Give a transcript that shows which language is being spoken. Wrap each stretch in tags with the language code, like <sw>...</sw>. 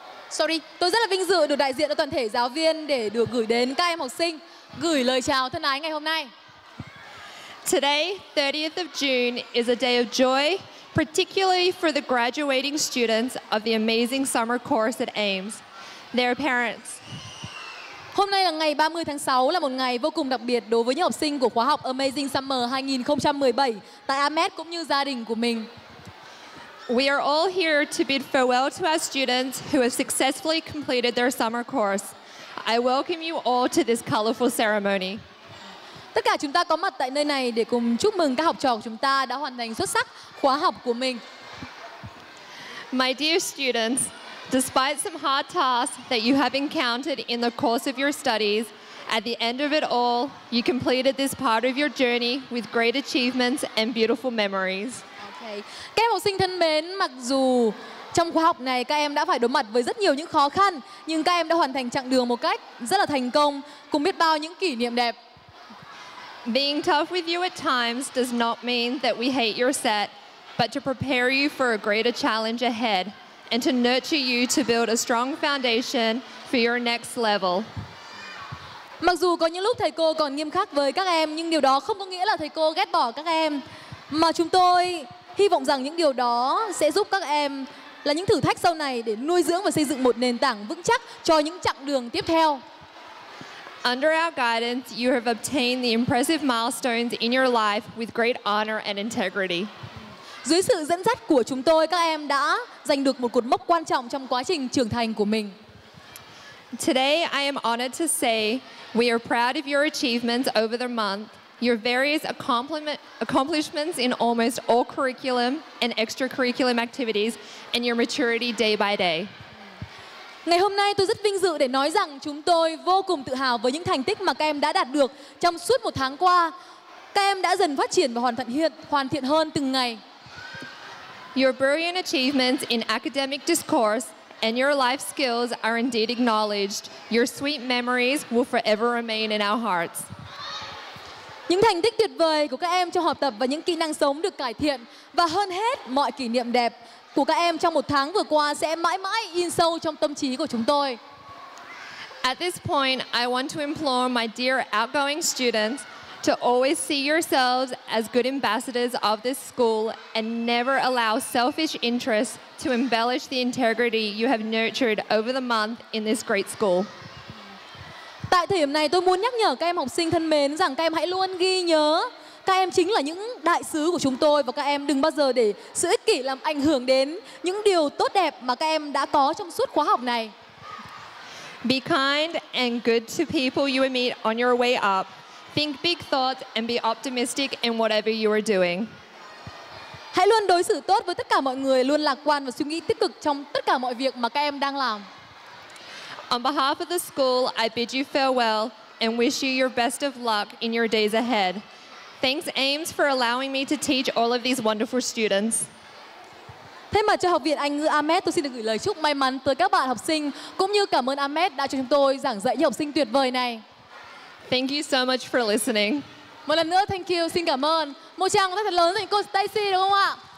<vi>Sorry, tôi rất là vinh dự được đại diện cho toàn thể giáo viên để được gửi đến các em học sinh gửi lời chào thân ái ngày hôm nay.</vi> <en>Today, 30th of June is a day of joy, particularly for the graduating students of the amazing summer course at Ames. Their parents.</en> <vi>Hôm nay là ngày 30 tháng 6 là một ngày vô cùng đặc biệt đối với những học sinh của khóa học Amazing Summer 2017 tại AMET cũng như gia đình của mình.</vi> <en>We are all here to bid farewell to our students who have successfully completed their summer course. I welcome you all to this colorful ceremony.</en> <vi>Tất cả chúng ta có mặt tại nơi này để cùng chúc mừng các học trò của chúng ta đã hoàn thành xuất sắc khóa học của mình.</vi> <en>My dear students, despite some hard tasks that you have encountered in the course of your studies, at the end of it all, you completed this part of your journey with great achievements and beautiful memories. Okay.</en> <vi>Các em học sinh thân mến, mặc dù trong khóa học này các em đã phải đối mặt với rất nhiều những khó khăn, nhưng các em đã hoàn thành chặng đường một cách rất là thành công, cùng biết bao những kỷ niệm đẹp.</vi> <en>Being tough with you at times does not mean that we hate your set, but to prepare you for a greater challenge ahead and to nurture you to build a strong foundation for your next level.</en> <vi>Mặc dù có những lúc thầy cô còn nghiêm khắc với các em, nhưng điều đó không có nghĩa là thầy cô ghét bỏ các em, mà chúng tôi hy vọng rằng những điều đó sẽ giúp các em là những thử thách sau này để nuôi dưỡng và xây dựng một nền tảng vững chắc cho những chặng đường tiếp theo.</vi> <en>Under our guidance, you have obtained the impressive milestones in your life with great honor and integrity.</en> <vi>Dưới sự dẫn dắt của chúng tôi, các em đã giành được một cột mốc quan trọng trong quá trình trưởng thành của mình.</vi> <en>Today, I am honored to say we are proud of your achievements over the month, your various accomplishments in almost all curriculum and extracurricular activities, and your maturity day by day.</en> <vi>Ngày hôm nay tôi rất vinh dự để nói rằng chúng tôi vô cùng tự hào với những thành tích mà các em đã đạt được trong suốt một tháng qua. Các em đã dần phát triển và hoàn thiện hơn từng ngày.</vi> <en>Your brilliant achievements in academic discourse and your life skills are indeed acknowledged. Your sweet memories will forever remain in our hearts.</en> <vi>Những thành tích tuyệt vời của các em trong học tập và những kỹ năng sống được cải thiện, và hơn hết mọi kỷ niệm đẹp của các em trong một tháng vừa qua sẽ mãi mãi in sâu trong tâm trí của chúng tôi.</vi> <en>At this point, I want to implore my dear outgoing students to always see yourselves as good ambassadors of this school and never allow selfish interests to embellish the integrity you have nurtured over the month in this great school.</en> <vi>Tại thời điểm này, tôi muốn nhắc nhở các em học sinh thân mến rằng các em hãy luôn ghi nhớ các em chính là những đại sứ của chúng tôi, và các em đừng bao giờ để sự ích kỷ làm ảnh hưởng đến những điều tốt đẹp mà các em đã có trong suốt khóa học này.</vi> <en>Be kind and good to people you meet on your way up. Think big thoughts and be optimistic in whatever you are doing.</en> <vi>Hãy luôn đối xử tốt với tất cả mọi người, luôn lạc quan và suy nghĩ tích cực trong tất cả mọi việc mà các em đang làm.</vi> <en>On behalf of the school, I bid you farewell and wish you your best of luck in your days ahead. Thanks, Ames, for allowing me to teach all of these wonderful students.</en> <vi>Thay mặt cho Học viện Anh ngữ AMET, tôi xin được gửi lời chúc may mắn tới các bạn học sinh, cũng như cảm ơn AMET đã cho chúng tôi giảng dạy những học sinh tuyệt vời này.</vi> <en>Thank you so much for listening.</en> <vi>Một lần nữa,</vi> <en>thank you,</en> <vi>xin cảm ơn. Một tràng rất lớn dành cho cô Stacy, đúng không ạ?</vi>